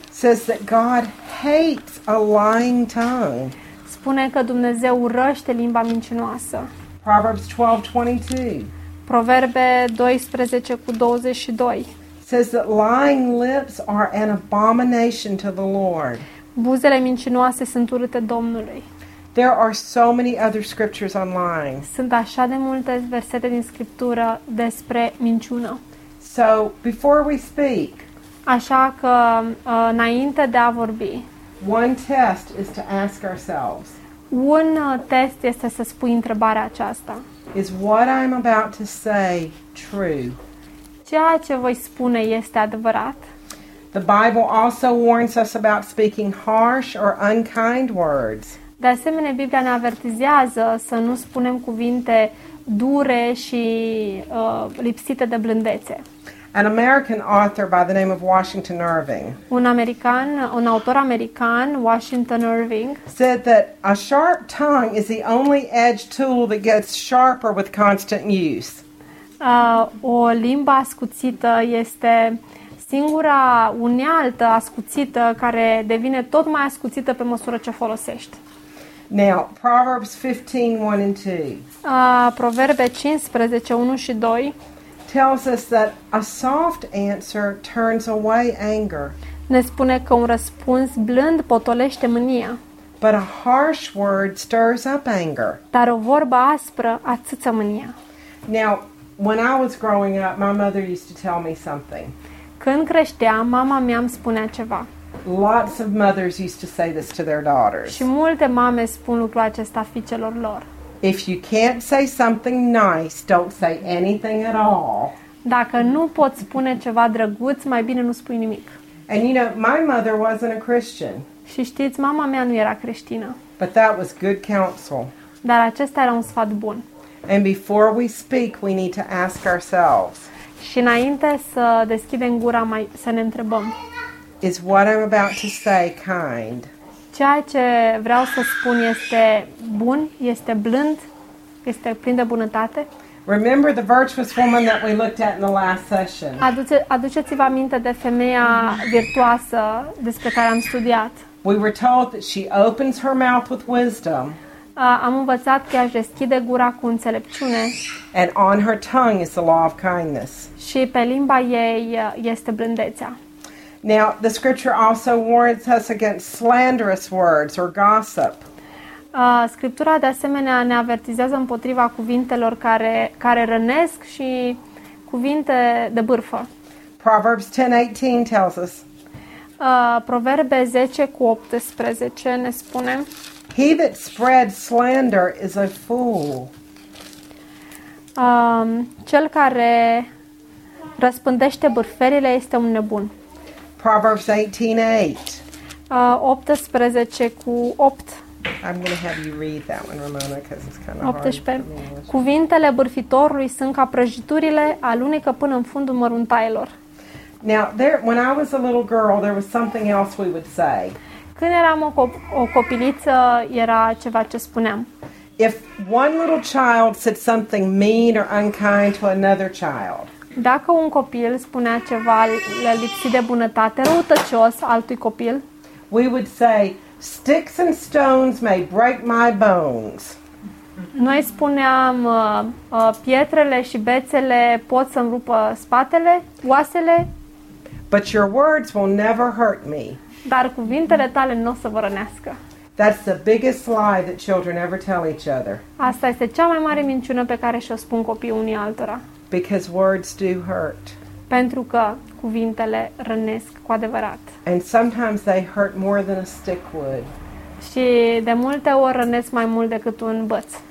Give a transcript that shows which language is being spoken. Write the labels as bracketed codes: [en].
[en] Says that God hates a lying tongue. [ro] Spune că Dumnezeu urăște limba mincinoasă. [en] Proverbs 12:22. [ro] Proverbe 12:22. [en] Says that lying lips are an abomination to the Lord. [ro] Buzele mincinoase sunt urâte Domnului. [en] There are so many other scriptures on lying. [ro] Sunt așa de multe versete din scriptură despre minciună. [en] So, before we speak, [ro] așa că înainte de a vorbi. [en] One test is to ask ourselves. [ro] Un test este să spui întrebarea aceasta. [en] Is what I'm about to say true? [ro] Ceea ce voi spune este adevărat? [en] The Bible also warns us about speaking harsh or unkind words. [ro] De asemenea, Biblia ne avertizează să nu spunem cuvinte dure și lipsite de blândețe. [en] an American author by the name of Washington Irving. [ro] Un autor american, Washington Irving, [en] said that a sharp tongue is the only edged tool that gets sharper with constant use. [ro] O limbă ascuțită este singura unealtă ascuțită care devine tot mai ascuțită pe măsură ce folosești. [en] Now, Proverbs 15:1-2. [ro] Proverbe 15:1-2. [en] Tells us that a soft answer turns away anger. [ro] Ne spune că un răspuns blând potolește mânia. [en] But a harsh word stirs up anger. [ro] Dar o vorbă aspră atâță mânia. [en] Now, when I was growing up, my mother used to tell me something. [ro] Când creșteam, mama mea îmi spunea ceva. [en] Lots of mothers used to say this to their daughters. [ro] Și multe mame spun lucrul acesta fiicelor lor. [en] If you can't say something nice, don't say anything at all. [ro] Dacă nu poți spune ceva drăguț, mai bine nu spui nimic. [en] And you know, my mother wasn't a Christian. [ro] Și știți, mama mea nu era creștină. [en] But that was good counsel. [ro] Dar acesta era un sfat bun. [en] And before we speak, we need to ask ourselves. [ro] Și înainte să deschidem gura, mai să ne întrebăm. [en] Is what I'm about to say kind? [ro] Ceea ce vreau să spun este bun, este blând, este plin de bunătate. [en] Remember the virtuous woman that we looked at in the last session. [ro] Aduceți-vă aminte de femeia virtuoasă despre care am studiat. [en] We were told that she opens her mouth with wisdom. [ro] Am învățat că ea își deschide gura cu înțelepciune. [en] And on her tongue is the law of kindness. [ro] Și pe limba ei este blândețea. [en] Now, the scripture also warns us against slanderous words or gossip. [ro] Scriptura de asemenea ne avertizează împotriva cuvintelor care rănesc și cuvinte de bârfă. [en] Proverbs 10:18 tells us. [ro] Proverbe 10:18 ne spune: [en] He that spreads slander is a fool. [ro] Cel care răspândește bârferile este un nebun. [en] Proverbs 18:8. [ro] 18:8. [en] I'm going to have you read that one, Ramona, because it's kind of 18. Hard. [ro] Cuvintele bârfitorului sunt ca prăjiturile, alunecă până în fundul măruntaielor. [en] Now, there, when I was a little girl, there was something else we would say. [ro] Când eram o copiliță, era ceva ce spuneam. [en] If one little child said something mean or unkind to another child. [ro] Dacă un copil spunea ceva lipsit de bunătate, răutăcios altui copil, [en] we would say, sticks and stones may break my bones. [ro] Noi spuneam, pietrele și bețele pot să-mi rupă spatele, oasele. [en] But your words will never hurt me. [ro] Dar cuvintele tale n-o să vă rănească. [en] That's the biggest lie that children ever tell each other. [ro] Asta este cea mai mare minciună pe care și-o spun copiii unii altora. [en] Because words do hurt. [ro] Pentru că cuvintele rănesc cu adevărat. [en] And sometimes they hurt more than a stick would. [ro] Și de multe ori rănesc mai mult decât un băț.